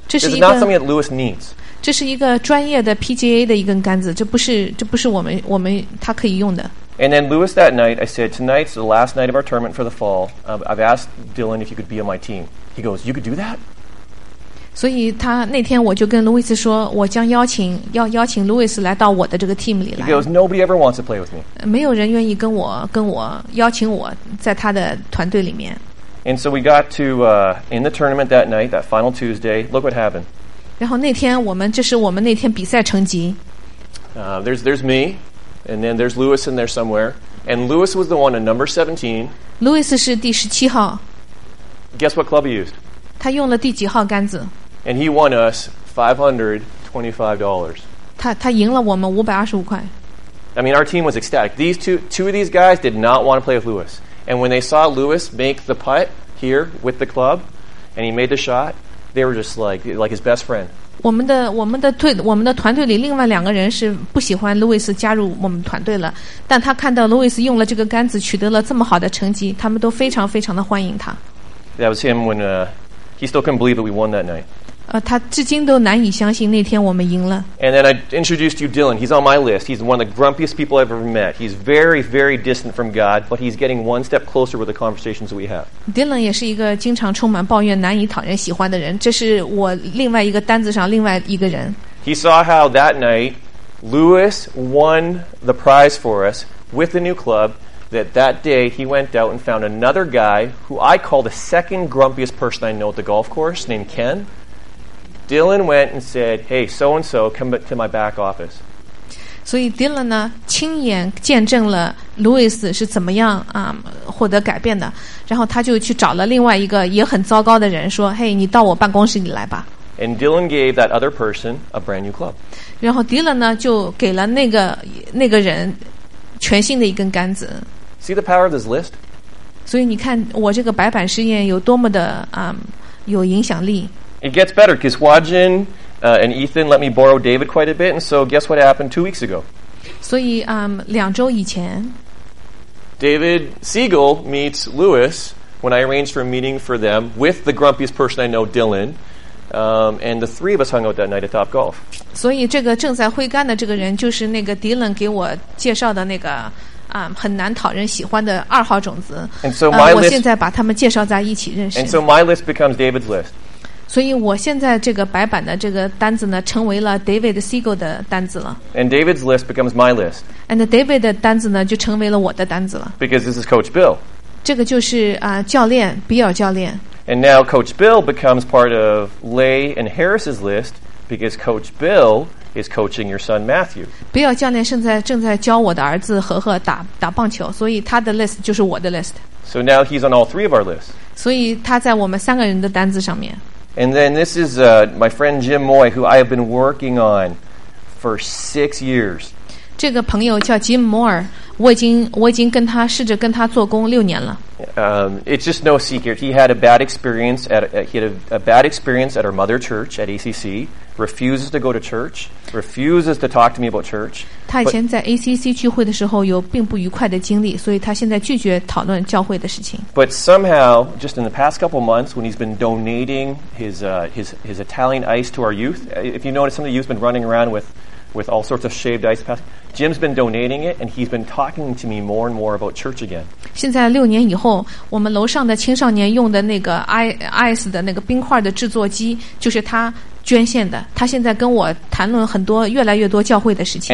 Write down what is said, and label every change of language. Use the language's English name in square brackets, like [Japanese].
[English] This is not something that Lewis needs." [Chinese] 这是一个专业的 PGA 的一根杆子，这不是我们他可以用的。 [English] And then Lewis that night, I said, "Tonight's the last night of our tournament for the fall. I've asked Dylan if you could be on my team." He goes, "You could do that?" [Chinese] 所以他那天我就跟 Lewis 说，我将邀请 Lewis 来到我的这个 team 里来。 [English] He goes, "Nobody ever wants to play with me." [Chinese] 没有人愿意跟我邀请我在他的团队里面。 [English] And so we got to in the tournament that night, that final Tuesday. Look what happened. [Chinese] 然后那天这是我们那天比赛成绩。 [English] There's me. And then there's Lewis in there somewhere. And Lewis was the one at number 17. [Chinese] Lewis 是第十七号。 [English] Guess what club he used? [Chinese] 他用了第几号杆子？ [English] And he won us $525. [Chinese] 他赢了我们525块。 [English] I mean, our team was ecstatic. These two of these guys did not want to play with Lewis. And when they saw Lewis make the putt here with the club, and he made the shot, they were just like his best friend. [Chinese] 我们的团队里另外两个人是不喜欢路易斯加入我们团队了，但他看到路易斯用了这个杆子取得了这么好的成绩，他们都非常非常的欢迎他。 [English] That was him when he still couldn't believe that we won that night. [Chinese] 他至今都难以相信那天我们赢了。 [English] And then I introduced you, Dylan. He's on my list. He's one of the grumpiest people I've ever met. He's very, very distant from God, but he's getting one step closer with the conversations that we have. [Chinese] Dylan 也是一个经常充满抱怨、难以讨人喜欢的人。这是我另外一个单子上另外一个人。 [English] He saw how that night Lewis won the prize for us with the new club. That day he went out and found another guy who I call the second grumpiest person I know at the golf course, named Ken. Dylan went and said, "Hey, so and so, come to my back office." [Chinese] So Dylan 呢，亲眼见证了 Louis 是怎么样啊、获得改变的。然后他就去找了另外一个也很糟糕的人，说：“嘿、hey, ，你到我办公室里来吧。” [English] And Dylan gave that other person a brand new club. [Chinese] 然后 Dylan 呢，就给了那个人全新的一根杆子。 [English] See the power of this list. [Chinese] 所以你看，我这个白板实验有多么的啊、有影响力。 [English] It gets better because Wajin and Ethan let me borrow David quite a bit, and so guess what happened 2 weeks ago? [Chinese] So, 两周以前 [English] David Siegel meets Lewis when I arranged for a meeting for them with the grumpiest person I know, Dylan, and the three of us hung out that night at Top Golf. [Chinese] So, 这个正在挥杆的这个人就是那个 Dylan 给我介绍的那个很难讨人喜欢的二号种子。 [English] And so my list, [Chinese] 我现在把他们介绍在一起认识。 [English] And so my list becomes David's list. [Chinese] 所以我现在这个白板的这个单子呢成为了 David Siegel 的单子了。 [English] And David's list becomes my list. [Chinese] And David 的单子呢就成为了我的单子了。 [English] Because this is Coach Bill. [Chinese] 这个就是教练比尔教练。 [English] And now Coach Bill becomes part of Lay and Harris's list because Coach Bill is coaching your son Matthew. [Chinese] 比尔教练正在教我的儿子和和打棒球，所以他的 list 就是我的 list. [English] So now he's on all three of our lists. [Chinese] 所以他在我们三个人的单子上面。 [English] And then this is my friend Jim Moy, who I have been working on for 6 years. [Chinese] 这个朋友叫 Jim Moore, 我已经跟他试着跟他做工六年了。 [English] It's just no secret. He had a bad experience at our mother church at ACC, refuses to go to church, refuses to talk to me about church. [Chinese] 他以前在 ACC 聚会的时候有并不愉快的经历，所以他现在拒绝讨论教会的事情。 [English] But somehow, just in the past couple months, when he's been donating his Italian ice to our youth, if you notice, some of the youth have been running around with all sorts of shaved ice packs. Jim's been donating it, and he's been talking to me more and more about church again. [Chinese] 现在六年以后，我们楼上的青少年用的那个 ice 的那个冰块的制作机，就是他捐献的。他现在跟我谈论很多越来越多教会的事情。